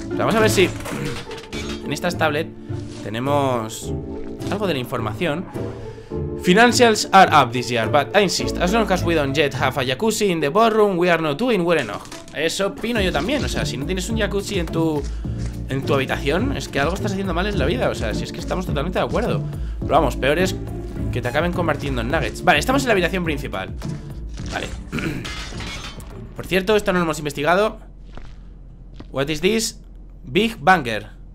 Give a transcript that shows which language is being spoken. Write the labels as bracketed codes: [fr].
[es] Vamos a ver si en estas tablet tenemos algo de la información. [en] Financials are up this year, but I insist, as long as we don't yet have a jacuzzi in the boardroom, we are not doing well enough. [es] Eso opino yo también. O sea, si no tienes un jacuzzi en tu habitación, es que algo estás haciendo mal en la vida. O sea, si es que estamos totalmente de acuerdo. Pero vamos, peor es que te acaben convirtiendo en nuggets. Vale, estamos en la habitación principal. Vale. Por cierto, esto no lo hemos investigado. [en] What is this? [es] Big Banger.